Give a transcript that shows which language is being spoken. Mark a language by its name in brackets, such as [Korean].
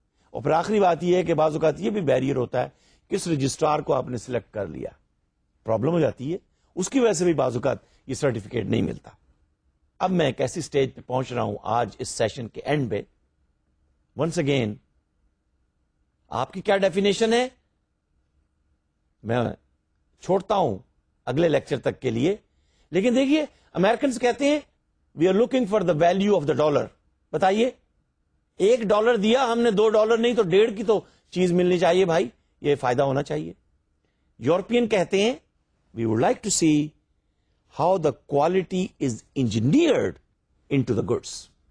[Urdu] اور پھر آخری بات یہ ہے کہ بعض اوقات یہ بھی بیریئر ہوتا ہے کس رجسٹرار کو آپ نے سلیکٹ کر لیا, پرابلم ہو جاتی ہے, اس کی وجہ سے بھی بعض اوقات یہ سرٹیفکیٹ نہیں ملتا. اب میں ایک ایسی اسٹیج پہ پہنچ رہا ہوں آج اس سیشن کے اینڈ پہ, [English] once again [Urdu] آپ کی کیا ڈیفینیشن ہے میں چھوڑتا ہوں اگلے لیکچر تک کے لیے. لیکن دیکھیے امیرکنز کہتے ہیں [English] We are looking for the value of the dollar. [Urdu] بتائیے ایک ڈالر دیا ہم نے, دو ڈالر نہیں تو ڈیڑھ کی تو چیز ملنی چاہیے بھائی, یہ فائدہ ہونا چاہیے. یورپین کہتے ہیں [English] We would like to see how the quality is engineered into the goods.